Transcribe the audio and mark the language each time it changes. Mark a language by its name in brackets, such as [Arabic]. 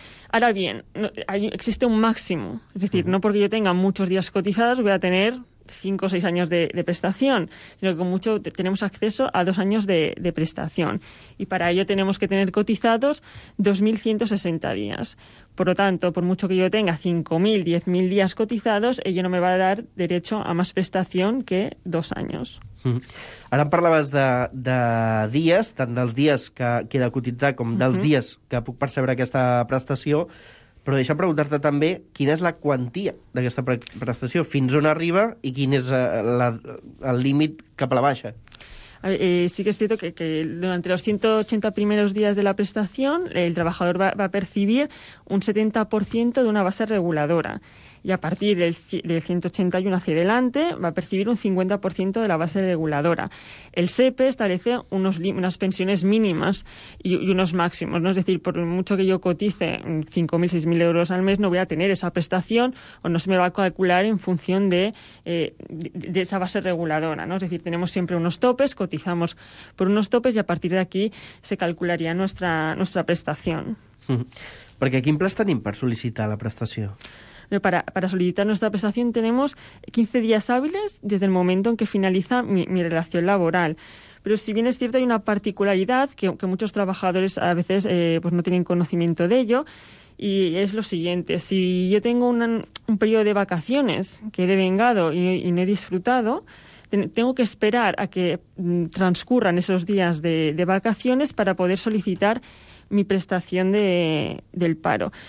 [Spanish] Ahora bien, existe un máximo, es decir, no porque yo tenga muchos días cotizados voy a tener 5 o 6 años de prestación, sino que con mucho tenemos acceso a 2 años de prestación. Y para ello tenemos que tener cotizados 2.160 días. Por lo tanto, por mucho que yo tenga 5.000, 10.000 días cotizados, ello no me va a dar derecho a más prestación que 2 años. [Catalan] Ara em parlaves de dies, tant dels dies que he de cotitzar com dels dies que puc percebre aquesta prestació, però deixa'm preguntar-te també quina és la quantia d'aquesta prestació, fins on arriba i quin és el límit cap a la baixa. [Spanish] Sí que es cierto que durante los 180 primeros días de la prestación el trabajador va a percibir un 70% de una base reguladora y a partir del 181 hacia adelante va a percibir un 50% de la base reguladora. El SEPE establece unas pensiones mínimas y unos máximos, ¿no? Es decir, por mucho que yo cotice 5.000, 6.000 euros al mes no voy a tener esa prestación o no se me va a calcular en función de esa base reguladora, ¿no? Es decir, tenemos siempre unos topes, cotizamos por unos topes y a partir de aquí se calcularía nuestra prestación. [Catalan] ¿Porque quin plaç tenim per sol·licitar la prestació? [Spanish] Para solicitar nuestra prestación tenemos 15 días hábiles desde el momento en que finaliza mi relación laboral. Pero si bien es cierto, hay una particularidad que muchos trabajadores a veces pues no tienen conocimiento de ello, y es lo siguiente. Si yo tengo un periodo de vacaciones que he devengado y no he disfrutado, tengo que esperar a que transcurran esos días de vacaciones para poder solicitar mi prestación del paro.